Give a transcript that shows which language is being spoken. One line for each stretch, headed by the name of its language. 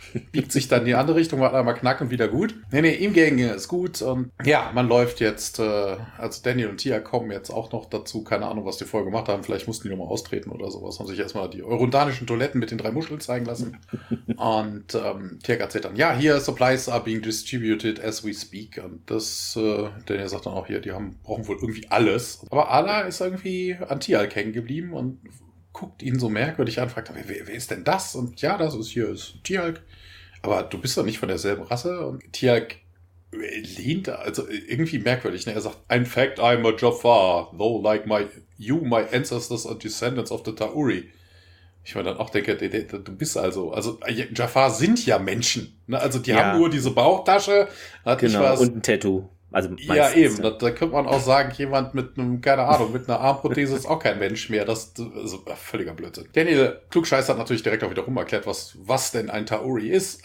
German: Biegt sich dann in die andere Richtung, macht einmal knack und wieder gut. Nee, ihm ging es gut. Und ja, man läuft jetzt, also Daniel und Tia kommen jetzt auch noch dazu. Keine Ahnung, was die vorher gemacht haben. Vielleicht mussten die nochmal austreten oder sowas. Haben sich erstmal die eurondanischen Toiletten mit den drei Muscheln zeigen lassen. Und Tia erzählt dann, ja, hier,
English: Supplies are being distributed as we speak.
German: Und das, Daniel sagt dann auch hier, die brauchen wohl irgendwie alles. Aber Ala ist irgendwie an Tia hängen geblieben und guckt ihn so merkwürdig an, fragt, wer ist denn das? Und ja, das ist hier, ist Tialk. Aber du bist doch nicht von derselben Rasse. Und Tialk lehnt, also irgendwie merkwürdig. Ne? Er sagt,
English: in fact, I'm a Jafar, though like my ancestors are descendants of the Ta'uri.
German: Ich meine, dann auch denke, du bist also Jafar sind ja Menschen. Ne? Also die haben nur diese Bauchtasche. Hat genau, was. Und ein Tattoo. Also meistens, ja, eben. Ja. Da könnte man auch sagen, jemand mit einem, keine Ahnung, mit einer Armprothese ist auch kein Mensch mehr. Das ist völliger Blödsinn. Daniel Klugscheiß hat natürlich direkt auch wiederum erklärt, was denn ein Ta'uri ist.